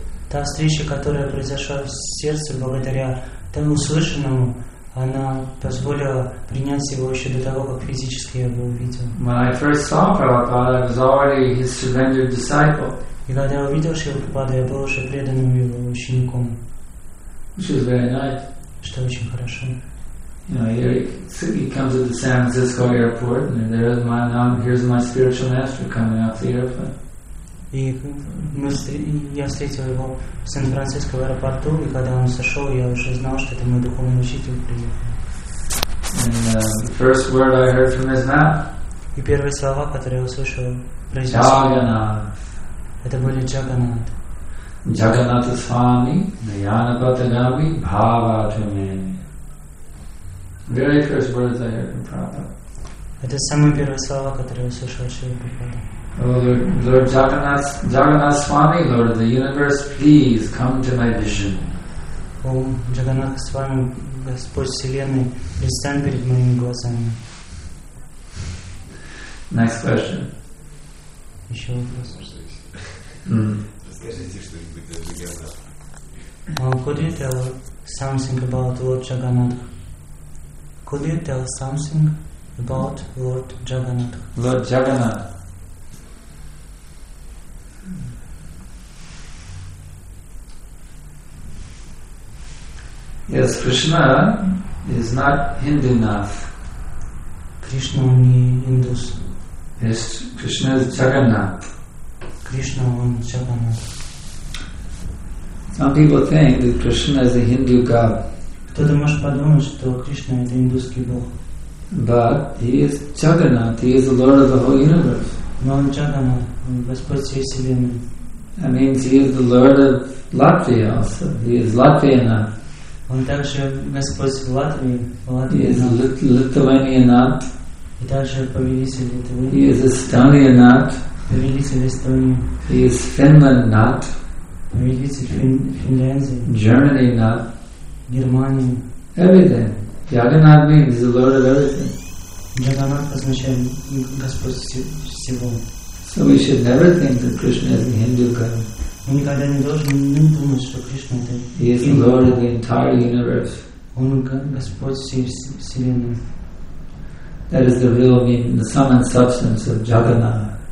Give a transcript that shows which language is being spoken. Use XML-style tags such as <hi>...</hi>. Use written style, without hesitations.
<ru>Та встреча, которая произошла в сердце благодаря тому услышанному, она позволила принять его еще до того, как физически я его увидел.</ru> <en>When I first saw Prabhupada, I was already his surrendered disciple.</en> <ru>И когда я увидел Шрилу Прабхупаду, я был уже преданным его учеником.</ru> <en>Which is very nice.</en> <ru>Что очень хорошо.</ru> <en>You know, he comes at the San Francisco airport, and here's my spiritual master coming off the airplane.</en> <ru>И я встретил его в Сан-Франциско в аэропорту, и когда он сошел, я уже знал, что это мой духовный учитель приехал. И первые слова, которые я услышал, это были Джаганат. Джаганат Свами, Наяна Патагами, Бхаватуме.</ru> <en>Very first words I heard from Prabhupada.</en> <ru>Это самые первые слова, которые я услышал от Шрилы Прабхупады.</ru> <en>Oh, Lord Jagannath Swami, Lord of the universe, please come to my vision.</en> <ru>Oh, Jagannath Swami, Господь Вселенной, предстань перед моими глазами.</ru> <en>Next question.</en> <ru>Еще вопрос. Расскажите что-нибудь о Джаганнатхе.</ru> <en>Could you tell something about Lord Jagannath? Could you tell something? about Lord Jagannath. Lord Jagannath. Yes, Krishna is not Hindu enough. Krishna only Hindus. Yes, Krishna is Jagannath. Krishna only Jagannath. Some people think that Krishna is a Hindu god.</en> <ru>Кто-то может подумать, что Кришна это индусский бог.</ru> <en>But he is Jagannath, he is the Lord of the whole universe.</en> <ru>Но он Jagannath, он Господь всей вселенной.</ru> <en>That means he is the Lord of Latvia also. He is Latvian.</en> <ru>Он также Господь в Латвии, в Латвии.</ru> <en>He is Lithuanian.</en> <ru>И также повелитель Литвы.</ru> <en>He is Estonian.</en> <ru>Повелитель Эстонии.</ru> <en>He is Finland.</en> <ru>Повелитель Финляндии.</ru> <en>Germany not. Germany. Everything. Jagannath means the Lord of everything.</en> <ru>Jagannath означает Господь всего.</ru> <en>So we should never think that Krishna is a Hindu god.</en> <ru>Мы никогда не должны думать, что Кришна это.</ru> <en>He is the Lord of the entire universe.</en> <ru>Он Господь всей вселенной.</ru> <en>That is the real meaning, the sum and substance of Jagannath.</en>